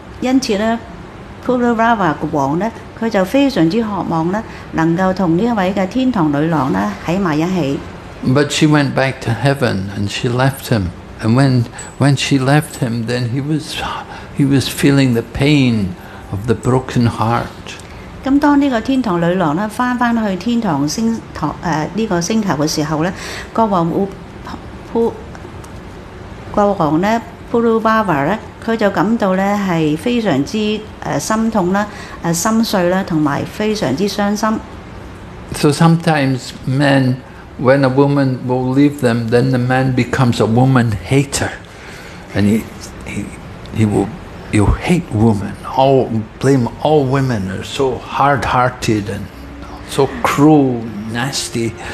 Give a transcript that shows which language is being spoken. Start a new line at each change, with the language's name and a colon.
Cantonese: 因此呢 Puru Rava 嘅王呢，佢就非常之渴望呢，能够同呢位嘅天堂女郎呢喺埋一起。
English: But she went back to heaven and she left him. And when she left him, then he was feeling the pain of the broken heart.
Cantonese: 咁當呢個天堂女郎咧翻去天堂星堂呢個星球嘅時候咧，國王咧 Puru Rava 咧，佢就感到咧係非常之心痛啦、心碎啦，同埋非常之傷心。
English: So sometimes men, when a woman will leave them, then the man becomes a woman hater, and he will hate women. All blame all women are so hard-hearted and so cruel, nasty.